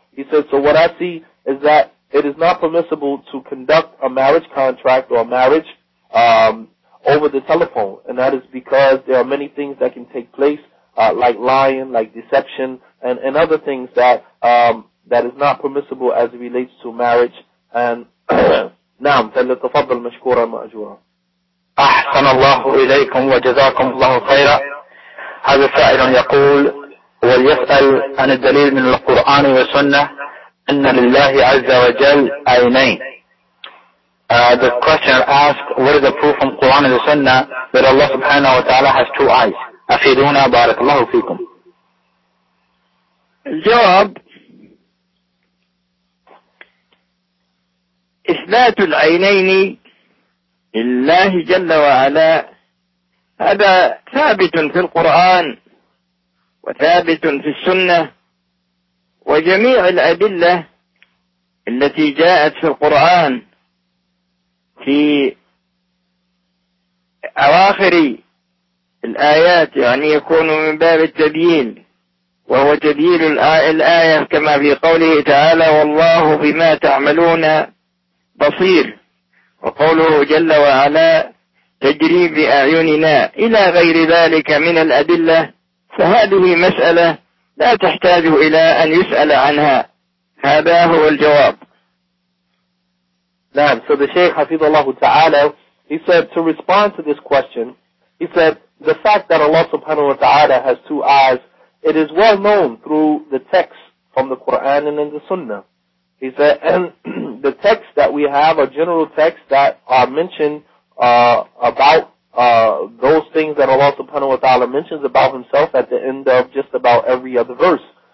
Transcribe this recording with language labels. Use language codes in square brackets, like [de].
[en] He says, so what I see is that it is not permissible to conduct a marriage contract or a marriage over the telephone. And that is because there are many things that can take place, like lying, like deception, and other things that that is not permissible as it relates to marriage. And [ar] نعم فلتفضل مشكورا مأجورا أحسن الله إليكم وجزاكم الله خيرا. هذا سائل يقول وليسأل عن الدليل من القرآن والسنة أن لله عز وجل عينين. [en] The question asked, what is the proof from Quran and the Sunnah that Allah subhanahu wa ta'ala has two eyes? [ar] أفيدونا بارك الله فيكم. الجواب إثبات العينين لله جل وعلا هذا ثابت في القرآن وثابت في السنة وجميع الأدلة التي جاءت في القرآن في أواخر الآيات يعني يكون من باب التدليل وهو تدليل الآية كما في قوله تعالى والله بما تعملون بصير وقوله جل وعلا تجري بأعيننا إلى غير ذلك من الأدلة فهذه مسألة لا تحتاج إلى أن يسأل عنها هذا هو الجواب. نعم. [en] So the Shaykh Hafidhullah Ta'ala, he said to respond to this question, he said the fact that Allah subhanahu wa ta'ala has two eyes, it is well known through the text from the Quran and in the Sunnah. He said, and the texts that we have are general texts that are mentioned about those things that Allah subhanahu wa ta'ala mentions about himself at the end of just about every other verse.